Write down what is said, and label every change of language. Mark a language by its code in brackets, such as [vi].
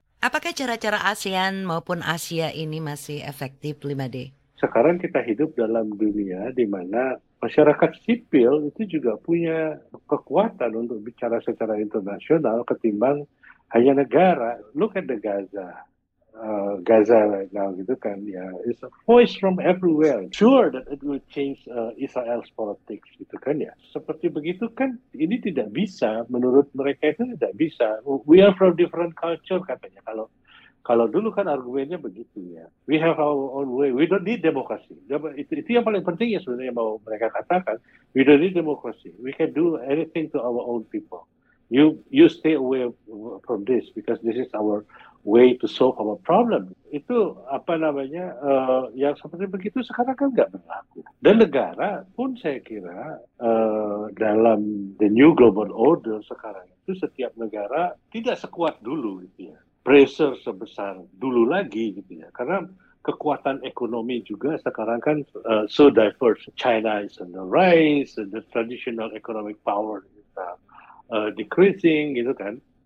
[id] Apakah cara-cara ASEAN maupun Asia ini masih efektif, 5D? Sekarang kita hidup dalam dunia di mana masyarakat sipil itu juga punya kekuatan untuk bicara secara internasional ketimbang hanya negara. [en] Look at the Gaza. Gaza right now [id] gitu kan, ya, [en] it's a voice from everywhere. Sure that it will change Israel's politics [id] gitu kan, ya. Seperti begitu kan, ini tidak bisa, menurut mereka itu tidak bisa. [en] We are from different culture [id] katanya. Kalau dulu kan argumennya begitu, ya. [en] We have our own way. We don't need democracy. [id] Itu yang paling penting ya sebenarnya mau mereka katakan. [en] We don't need democracy. We can do anything to our own people. You stay away from this because this is our way to solve our problem. [id] Itu apa namanya, yang seperti begitu sekarang kan nggak berlaku. Dan negara pun saya kira dalam [en] the new global order [id] sekarang itu setiap negara tidak sekuat dulu gitu ya. Pressure sebesar dulu lagi gitu ya. Karena kekuatan ekonomi juga sekarang kan [en] so diverse. China is on the rise and the traditional economic power is decreasing [id] gitu kan.